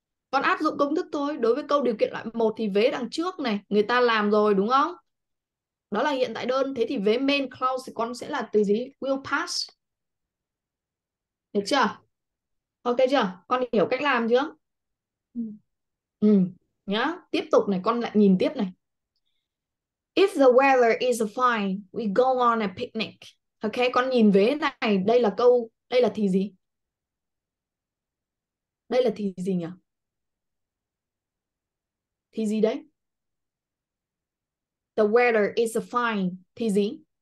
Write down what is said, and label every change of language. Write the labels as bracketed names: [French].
[Vietnamese] Con áp dụng công thức thôi. Đối với câu điều kiện loại 1 thì vế đằng trước này, người ta làm rồi đúng không? Đó là hiện tại đơn. Thế thì vế main clause thì con sẽ là từ gì? [English] Will pass. [Vietnamese] Được chưa? Ok chưa? Con hiểu cách làm chưa? Ừ, nhá. Tiếp tục này, con lại nhìn tiếp này. [English] If the weather is fine, we go on a picnic. [Vietnamese] Ok, con nhìn vế này, đây là câu, đây là thì gì? Đây là thì gì nhỉ? Thì gì đấy? [English] The weather is fine, [Vietnamese] thì gì?